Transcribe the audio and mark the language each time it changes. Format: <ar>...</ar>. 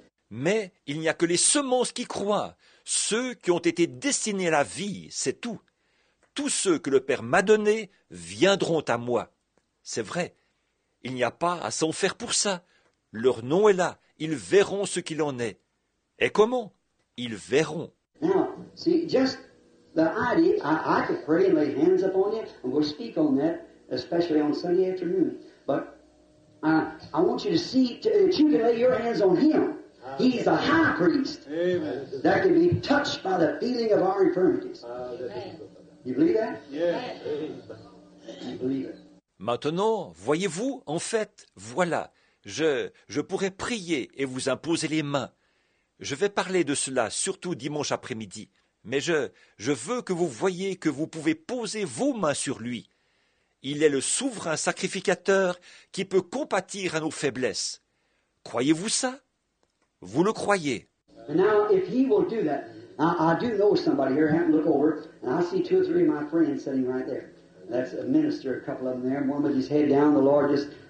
<fr>Mais il n'y a que les semences qui croient, ceux qui ont été destinés à la vie, c'est tout. Tous ceux que le Père m'a donnés viendront à moi. C'est vrai. Il n'y a pas à s'en faire pour ça. Leur nom est là. Ils verront ce qu'il en est. Et comment? Ils verront.</fr> <en>Now, see, just the idea, I could pray and lay hands upon you, and we'll speak on that, especially on Sunday afternoon. But I want you to see that you can lay your hands on him. He's the high priest. Amen. That can be touched by the feeling of our infirmities. Amen. You believe that? Yes. You believe it.</en> <fr>Maintenant, voyez-vous, en fait, voilà. Je pourrais prier et vous imposer les mains. Je vais parler de cela, surtout dimanche après-midi. Mais je veux que vous voyez que vous pouvez poser vos mains sur lui. Il est le souverain sacrificateur qui peut compatir à nos faiblesses. Croyez-vous ça? Vous le croyez?</fr> <en>Now, if he will do that, I do know somebody here, I haven't looked over, and I see two or three of my friends sitting right there. That's a minister, a couple of them there, one with his head down, the Lord just...</en>